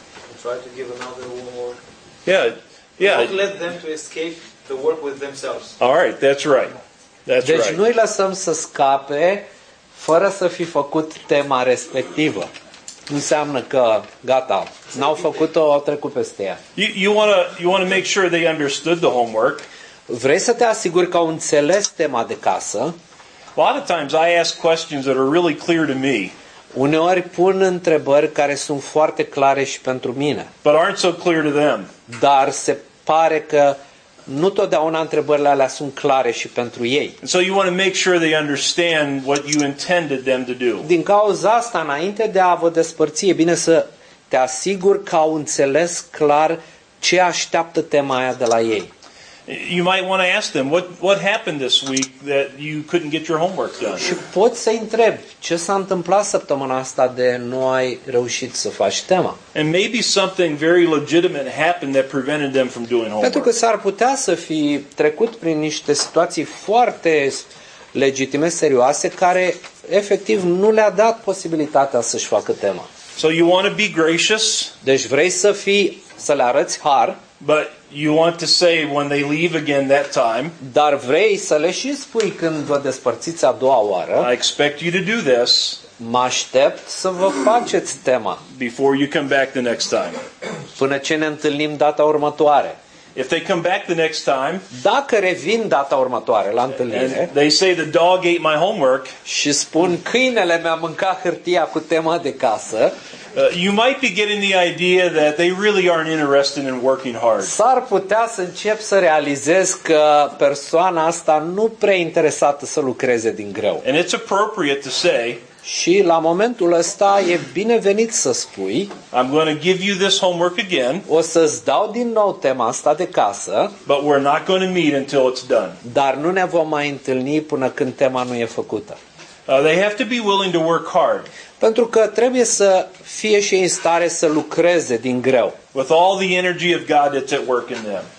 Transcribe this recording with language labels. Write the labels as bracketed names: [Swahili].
[English] We try to give another homework. Yeah. We don't let them to escape the work with themselves. All right, that's right. That's [Romanian] deci [English] right. [Romanian] Noi lăsăm să scape fără să fi făcut tema respectivă. Înseamnă că gata, n-au făcut-o, au trecut peste ea. [English] You want to make sure they understood the homework. [Romanian] Vrei să te asiguri că au înțeles tema de casă? [English] A lot of times I ask questions that are really clear to me. [Romanian] Uneori pun întrebări care sunt foarte clare și pentru mine. [English] But aren't so clear to them. [Romanian] Dar se pare că nu totdeauna întrebările alea sunt clare și pentru ei. [English] And so you want to make sure they understand what you intended them to do. [Romanian] Din cauza asta, înainte de a vă despărți, e bine să te asiguri că au înțeles clar ce așteaptă tema aia de la ei. [English] You might want to ask them what happened this week that you couldn't get your homework done. [Romanian] Și poți să-i întrebi ce s-a întâmplat săptămâna asta de nu ai reușit să faci tema. [English] And maybe something very legitimate happened that prevented them from doing homework. [Romanian] Pentru că s-ar putea să fi trecut prin niște situații foarte legitime, serioase, care efectiv nu le-a dat posibilitatea să-și facă tema. [English] So you want to be gracious? [Romanian] Deci vrei să fii, să le arăți har? [English] But you want to say when they leave again that time. [Romanian] Dar vrei să le și spui când vă despărțiți a doua oară. [English] I expect you to do this. [Romanian] Mă aștept să vă faceți tema. [English] Before you come back the next time. [Romanian] Până ce ne întâlnim data următoare. [English] If they come back the next time. [Romanian] Dacă revin data următoare la întâlnire. [English] They say the dog ate my homework. [Romanian] Și spun câinele mi-a mâncat hârtia cu tema de casă. [English] You might be getting the idea that they really aren't interested in working hard. [Romanian] S-ar putea să încep să realizez că persoana asta nu prea interesată să lucreze din greu. [English] And it's appropriate to say. [Romanian] Și la momentul ăsta e binevenit să spui. [English] I'm going to give you this homework again. [Romanian] O să-ți dau din nou tema asta de casă. [English] But we're not going to meet until it's done. [Romanian] Dar nu ne vom mai întâlni până când tema nu e făcută. [English] They have to be willing to work hard. [Romanian] Pentru că trebuie să fie și în stare să lucreze din greu. [English] With all the energy of God that's at work in them.